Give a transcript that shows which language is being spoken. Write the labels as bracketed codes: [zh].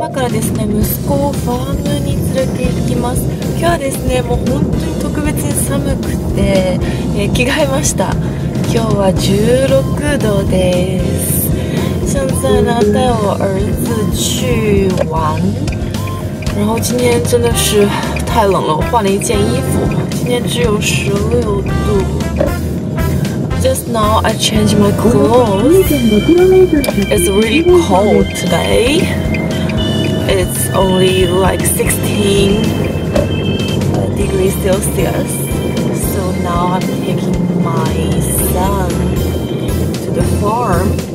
[ja] ですね、息子をファームに連れて行きます。今日はですね、もう本当に特別に寒くて、着替えました。今日は16度です。 [zh] 现在呢带我儿子去玩，然后今天真的是太冷了，我换了一件衣服，今天只有16度。 [en] Just now I changed my clothes. It's really cold todayIt's only like 16 degrees Celsius. So now I'm taking my son to the farm.